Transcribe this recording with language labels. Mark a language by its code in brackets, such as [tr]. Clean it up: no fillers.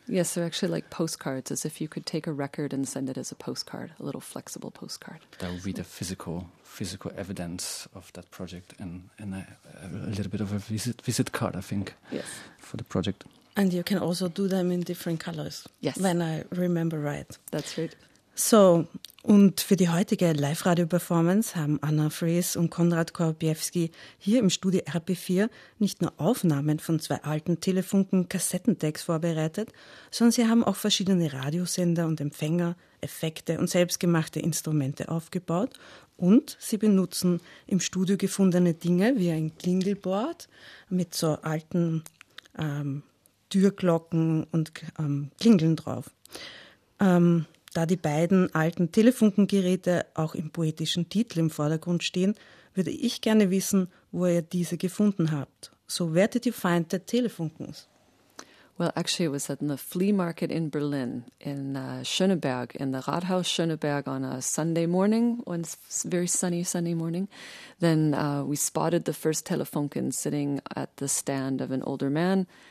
[en] Yes, they're actually like postcards, as if you could take a record and send it as a postcard, a little flexible postcard. That would be the physical evidence of that project, and a little bit of a visit card, I think. Yes, for the project. And you can also do them in different colors. Yes. When I remember right. That's right. [de] So, und für die heutige Live-Radio-Performance haben Anna Fries und Konrad Gorbiewski hier im Studio RP4 nicht nur Aufnahmen von zwei alten Telefunken-Kassettendecks vorbereitet, sondern sie haben auch verschiedene Radiosender und Empfänger, Effekte und selbstgemachte Instrumente aufgebaut. Und sie benutzen im Studio gefundene Dinge wie ein Klingelboard mit so alten Türglocken und Klingeln drauf. Da die beiden alten Telefunkengeräte auch im poetischen Titel im Vordergrund stehen, würde ich gerne wissen, wo ihr diese gefunden habt. [en] So, where did you find the Telefunkens? Well, actually it was at the flea market in Berlin, in Schöneberg, in the Rathaus Schöneberg on a Sunday morning, one very sunny Sunday morning. Then we spotted the first Telefunken sitting at the stand of an older man.